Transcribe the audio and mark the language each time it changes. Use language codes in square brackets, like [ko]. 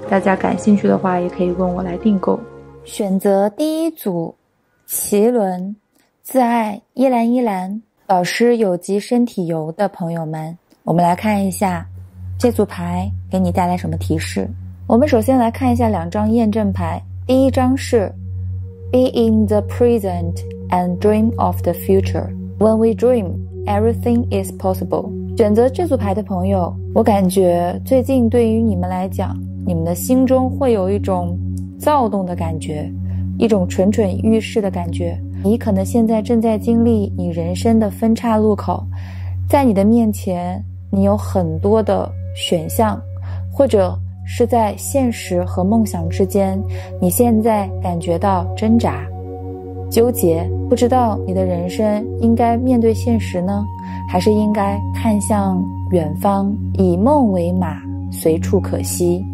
[zh] 大家感兴趣的话，也可以问我来订购。选择第一组，奇轮，自爱依兰依兰保湿有机身体油的朋友们，我们来看一下。这组牌给你带来什么提示？我们首先来看一下两张验证牌。第一张是 [en] "Be in the present and dream of the future. When we dream, everything is possible." [zh] 选择这组牌的朋友，我感觉最近对于你们来讲，你们的心中会有一种躁动的感觉，一种蠢蠢欲试的感觉。你可能现在正在经历你人生的分叉路口，在你的面前，你有很多的选项，或者是在现实和梦想之间，你现在感觉到挣扎、纠结，不知道你的人生应该面对现实呢，还是应该看向远方，以梦为马，随处可栖。